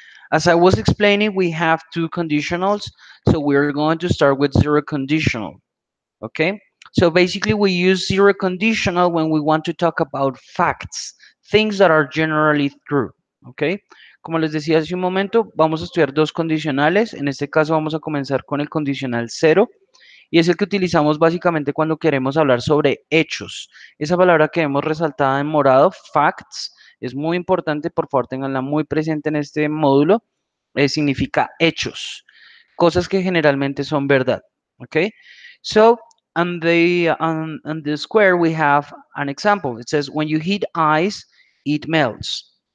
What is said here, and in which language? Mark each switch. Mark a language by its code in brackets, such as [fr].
[en] As I was explaining, we have two conditionals, so we're going to start with zero conditional. Okay? So basically we use zero conditional when we want to talk about facts, things that are generally true. Okay? [es] Como les decía hace un momento, vamos a estudiar dos condicionales. En este caso vamos a comenzar con el condicional cero. Y es el que utilizamos básicamente cuando queremos hablar sobre hechos. Esa palabra que vemos resaltada en morado, facts, es muy importante. Por favor, ténganla muy presente en este módulo. Significa hechos, cosas que generalmente son verdad. Okay? [en] So, on the square we have an example. It says, when you heat ice, it melts.